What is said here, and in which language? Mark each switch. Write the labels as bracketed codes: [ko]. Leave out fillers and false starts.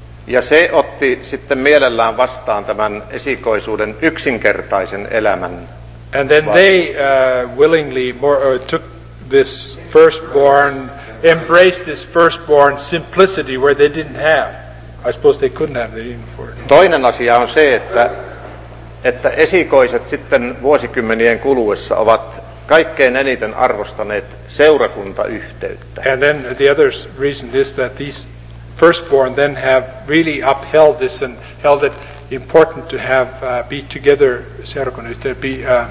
[fi] Ja se otti sitten mielellään vastaan tämän esikoisuuden yksinkertaisen elämän. [en] And then they willingly took this firstborn, embraced this firstborn simplicity where they didn't have. I suppose they couldn't have, they didn't afford it. [fi] Toinen asia on se, että esikoiset sitten vuosikymmenien kuluessa ovat kaikkein eniten arvostaneet seurakuntayhteyttä. [en] And then the other reason is that these firstborn then have really upheld this and held it important to have be together [fi] seurakunnassa, [en] to be